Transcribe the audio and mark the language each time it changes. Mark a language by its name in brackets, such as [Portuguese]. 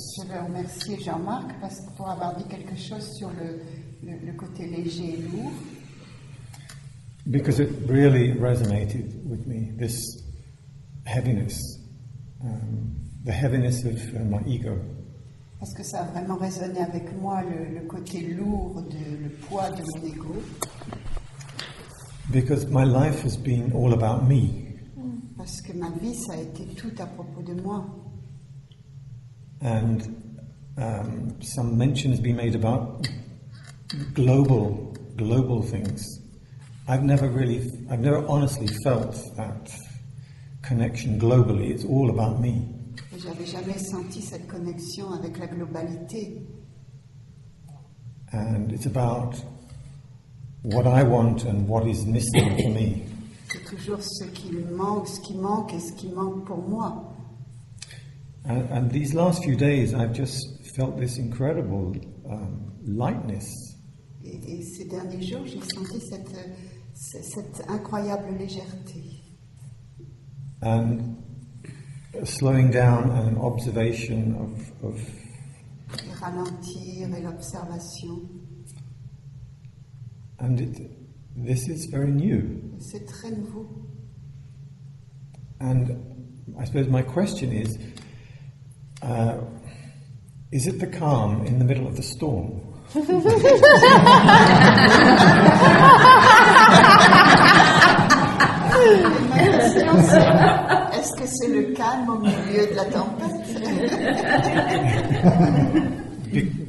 [French] je veux remercier Jean-Marc parce que pour avoir dit quelque chose sur le côté léger et lourd. [English] Because it really resonated with me, this heaviness, the heaviness of my ego. [French] Parce que ça a vraiment résonné avec moi le côté lourd de le poids de mon ego. [English] Because my life has been all about me. [French] Parce que ma vie ça a été tout à propos de moi. [English] And some mention has been made about global things. I've never honestly felt that connection globally. It's all about me. [French] J'avais jamais senti cette connexion avec la globalité. [English] And it's about what I want and what is missing for me. [French] C'est toujours ce qui manque et ce qui manque pour moi. [English] And these last few days, I've just felt this incredible lightness. [French] Et ces derniers jours, j'ai senti cette incroyable légèreté. [English] And a slowing down and an observation of [French] et ralentir et l'observation. [English] And this is very new. [French] C'est très nouveau. [English] And I suppose my question is, is it the calm in the middle of the storm? [French] Ma question c'est, est-ce que c'est le calme au milieu de la tempête?